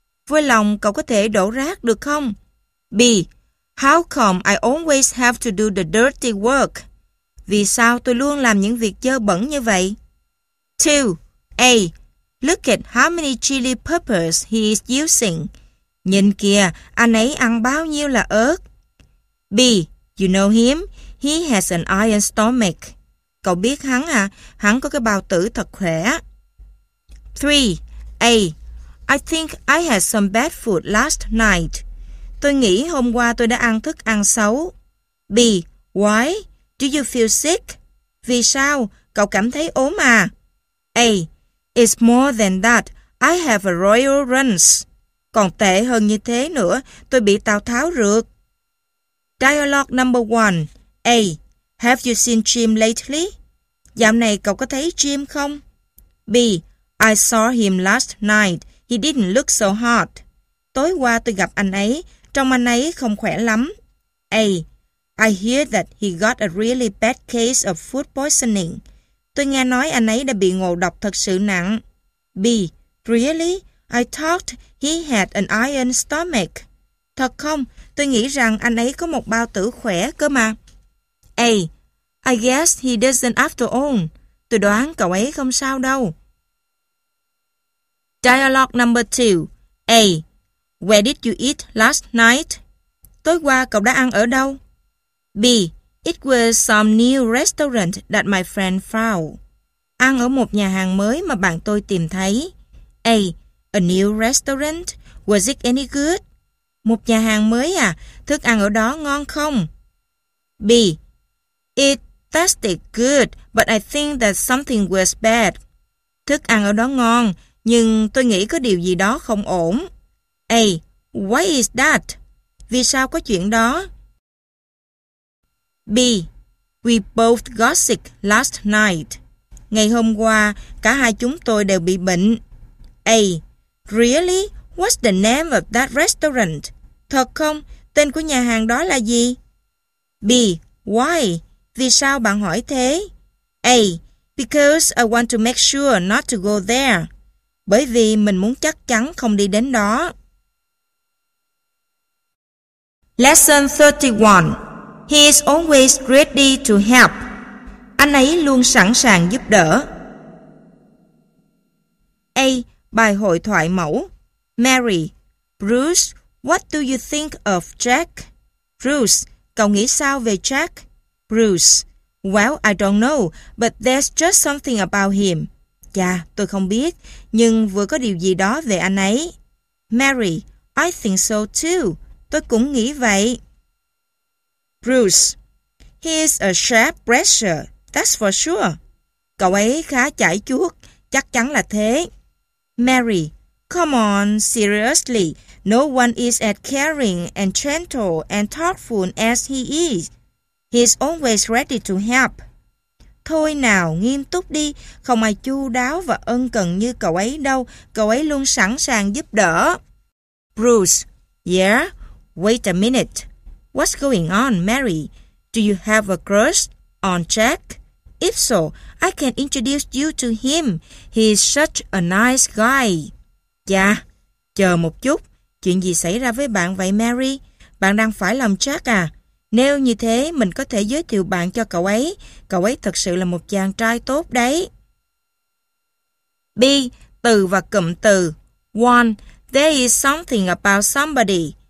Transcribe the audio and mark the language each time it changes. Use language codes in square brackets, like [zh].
[vi] Vui lòng, cậu có thể đổ rác được không? [en] B. How come I always have to do the dirty work? [vi] Vì sao tôi luôn làm những việc dơ bẩn như vậy? [en] 2. A. Look at how many chili peppers he is using. [vi] Nhìn kìa, anh ấy ăn bao nhiêu là ớt. [en] B. You know him? He has an iron stomach. [vi] Cậu biết hắn à? Hắn có cái bao tử thật khỏe. [en] 3. A. I think I had some bad food last night. [vi] Tôi nghĩ hôm qua tôi đã ăn thức ăn xấu. [en] B. Why? Do you feel sick? [vi] Vì sao? Cậu cảm thấy ốm à? A. [en] It's more than that. I have a royal runs. [vi] Còn tệ hơn như thế nữa, tôi bị Tào Tháo rượt. [en] Dialogue number 1. A. Have you seen Jim lately? [vi] Dạo này cậu có thấy Jim không? [en] B. I saw him last night. He didn't look so hot. [vi] Tối qua tôi gặp anh ấy. Trông anh ấy không khỏe lắm. [en] A. I hear that he got a really bad case of food poisoning. [vi] Tôi nghe nói anh ấy đã bị ngộ độc thật sự nặng. [en] B. Really? I thought he had an iron stomach. [vi] Thật không? Tôi nghĩ rằng anh ấy có một bao tử khỏe cơ mà. A. [en] I guess he doesn't after all. [vi] Tôi đoán cậu ấy không sao đâu. [en] Dialogue number 2. A. Where did you eat last night? [vi] Tối qua cậu đã ăn ở đâu? B. [en] It was some new restaurant that my friend found. [vi] Ăn ở một nhà hàng mới mà bạn tôi tìm thấy. [en] A. A new restaurant? Was it any good? [vi] Một nhà hàng mới à? Thức ăn ở đó ngon không? B. [en] It tasted good, but I think that something was bad. [vi] Thức ăn ở đó ngon, nhưng tôi nghĩ có điều gì đó không ổn. A. [en] Why is that? [vi] Vì sao có chuyện đó? B. [en] We both got sick last night. [vi] Ngày hôm qua, cả hai chúng tôi đều bị bệnh. [en] A. Really? What's the name of that restaurant? [vi] Thật không? Tên của nhà hàng đó là gì? B. [en] Why? [vi] Vì sao bạn hỏi thế? A. [en] Because I want to make sure not to go there. [vi] Bởi vì mình muốn chắc chắn không đi đến đó. [en] Lesson 31. He is always ready to help. [vi] Anh ấy luôn sẵn sàng giúp đỡ. [en] A. [vi] Bài hội thoại mẫu. [en] Mary. Bruce, what do you think of Jack? [vi] Bruce, cậu nghĩ sao về Jack? [en] Bruce. Well, I don't know, but there's just something about him. [vi] Chà, tôi không biết, nhưng vừa có điều gì đó về anh ấy. [en] Mary. I think so too. [vi] Tôi cũng nghĩ vậy. [en] Bruce. He is a sharp presser, that's for sure. [vi] Cậu ấy khá chảy chuốt, chắc chắn là thế. [en] Mary. Come on, seriously. No one is as caring and gentle and thoughtful as he is. He is always ready to help. [vi] Thôi nào, nghiêm túc đi, không ai chu đáo và ân cần như cậu ấy đâu, cậu ấy luôn sẵn sàng giúp đỡ. [en] Bruce, yeah, wait a minute. What's going on, Mary? Do you have a crush on Jack? If so, I can introduce you to him. He's such a nice guy. [vi] Chà, chờ một chút. Chuyện gì xảy ra với bạn vậy, Mary? Bạn đang phải lòng Jack à? Nếu như thế, mình có thể giới thiệu bạn cho cậu ấy. Cậu ấy thật sự là một chàng trai tốt đấy. B. Từ và cụm từ. 1. [en] There is something about somebody.